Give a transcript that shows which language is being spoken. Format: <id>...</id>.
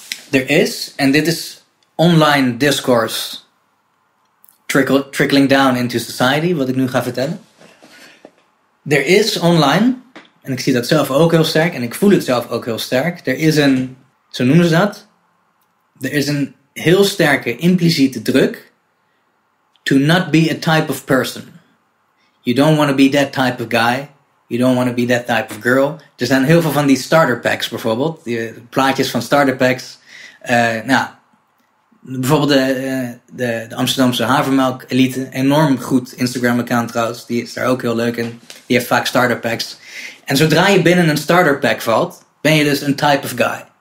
<nl>Er is, en dit is</nl> <en>online discourse trickling down into society,</en> <nl>wat ik nu ga vertellen. Er is online, en ik zie dat zelf ook heel sterk, en ik voel het zelf ook heel sterk. Er is een, zo noemen ze dat, er is een heel sterke impliciete druk</nl> <en>to not be a type of person. You don't want to be that type of guy. You don't want to be that type of girl.</en> <nl>Er zijn heel veel van die starter packs bijvoorbeeld, die plaatjes van starter packs. Nou, bijvoorbeeld de Amsterdamse havermelk elite, enorm goed Instagram account trouwens, die is daar ook heel leuk in. Die heeft vaak starter packs. En zodra je binnen een starter pack valt, ben je dus een</nl> <en>type of guy.</en>